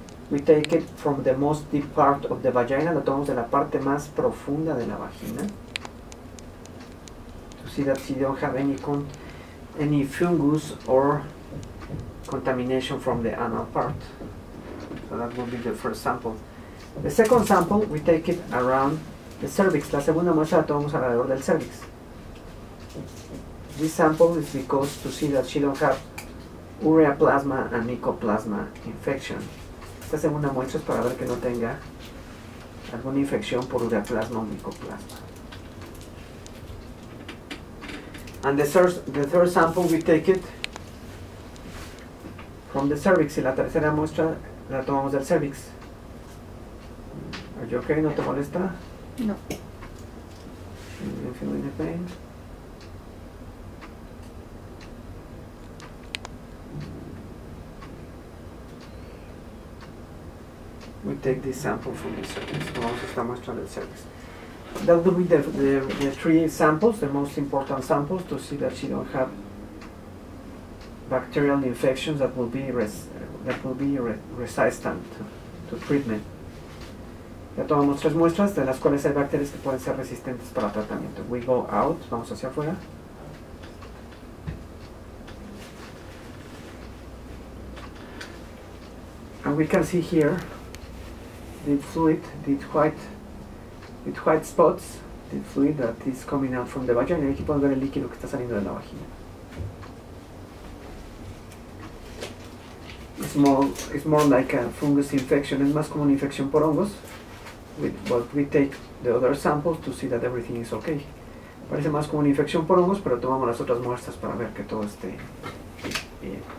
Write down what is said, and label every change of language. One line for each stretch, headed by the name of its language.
English: We take it from the most deep part of the vagina.
Spanish: Lo tomamos de la parte más profunda de la vagina.
English: To see that she don't have any fungus or contamination from the anal part. So that will be the first sample. The second sample, we take it around The cervix,
Spanish: la segunda muestra la tomamos alrededor del cervix.
English: This sample is because to see that she don't have ureaplasma and mycoplasma infection.
Spanish: Esta segunda muestra es para ver que no tenga alguna infección por ureaplasma o mycoplasma.
English: And the third sample we take it from the cervix,
Spanish: y la tercera muestra la tomamos del cervix.
English: Are you okay?
Spanish: ¿No te molesta? No.
English: You feel any pain? We take this sample from the cervix.
Spanish: Tomamos esta muestra del cervix.
English: That will be the three samples, the most important samples, to see that she don't have bacterial infections that will be resistant to treatment.
Spanish: Ya tomamos tres muestras, de las cuales hay bacterias que pueden ser resistentes para tratamiento.
English: We go out,
Spanish: vamos hacia afuera.
English: And we can see here, the white spots, the fluid that is coming out from the vagina.
Spanish: Aquí podemos ver el líquido que está saliendo de la vagina.
English: It's more like a fungus infection.
Spanish: Es más como una infección por hongos.
English: But we take the other samples to see that everything is okay.
Spanish: Parece más como una infección por hongos, pero tomamos las otras muestras para ver que todo esté bien.